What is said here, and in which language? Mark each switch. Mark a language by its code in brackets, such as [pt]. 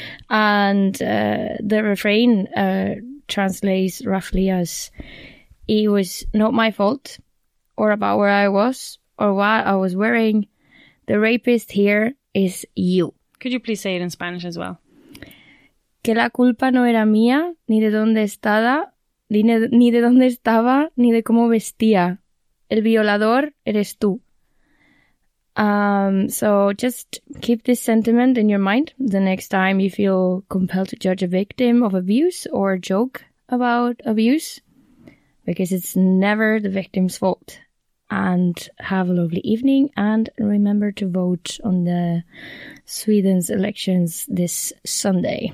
[en] And the refrain translates roughly as, "It was not my fault, or about where I was, or what I was wearing. The rapist here is you." Could you please say it in Spanish as well? [es] Que la culpa no era mía, ni de dónde estaba, ni de dónde estaba, ni de cómo vestía. El violador eres tú. [en] So just keep this sentiment in your mind the next time you feel compelled to judge a victim of abuse or joke about abuse, because it's never the victim's fault. And have a lovely evening, and remember to vote on the Sweden's elections this Sunday.